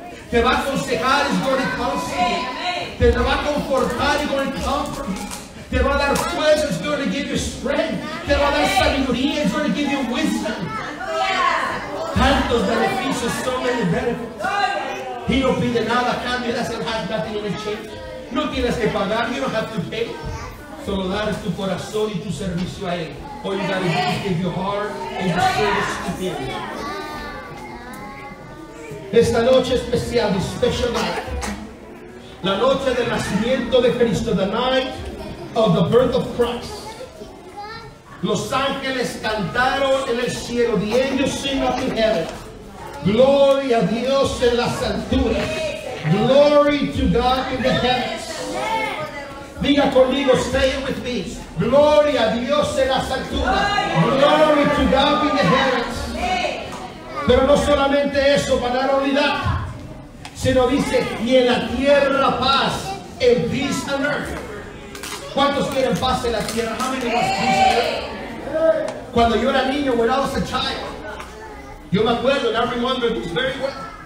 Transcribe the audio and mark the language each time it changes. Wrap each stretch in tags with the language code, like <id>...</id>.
<es>Te va a aconsejar,</es> <en>he's going to counsel you.</en> <es>Te va a confortar,</es> <en>he's going to comfort you.</en> <es>Te va a dar fuerza,</es> <en>it's going to give you strength.</en> <es>Te va a dar sabiduría,</es> <en>it's going to give you wisdom.</en> <es>Tantos beneficios,</es> <en>so many benefits.</en> <es>Y no pide nada a cambio,</es> <en>it doesn't have nothing in exchange.</en> <es>No tienes que pagar,</es> <en>you don't have to pay.</en> <es>Solo darás tu corazón y tu servicio a Él.</es> <en>All you gotta do is give your heart and your service to Him.</en> <es>Esta noche especial,</es> <en>this special night.</en> <es>La noche del nacimiento de Cristo,</es> <en>the night of the birth of Christ.</en> <es>Los ángeles cantaron en el cielo,</es> <en>the angels sing up in heaven. Glory</en> <es>a Dios en las alturas.</es> <en>Glory to God in the heavens.</en> <es>Diga conmigo,</es> <en>stay with me.</en> <es>Glory a Dios en las alturas.</es> <en>Glory to God in the heavens.</en> <es>Pero no solamente eso, para la unidad, sino dice, y en la tierra paz,</es> <en>en peace on earth.</en> <es>¿Cuántos quieren paz en la tierra?</es> <en>How many want peace on earth?</en> <es>Cuando yo era niño,</es> <en>when I was a child,</en> <es>Yo me acuerdo,</es> <en>and I remember this very well.</en>